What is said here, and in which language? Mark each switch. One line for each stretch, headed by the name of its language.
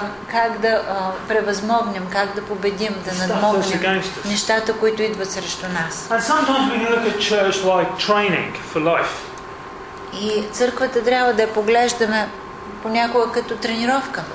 Bulgarian: Как да превъзмогнем, как да победим, да надмогнем нещата, които идват срещу нас.
English: And sometimes we look at church like training for life.
Bulgarian: И църквата трябва да я поглеждаме понякога като тренировка.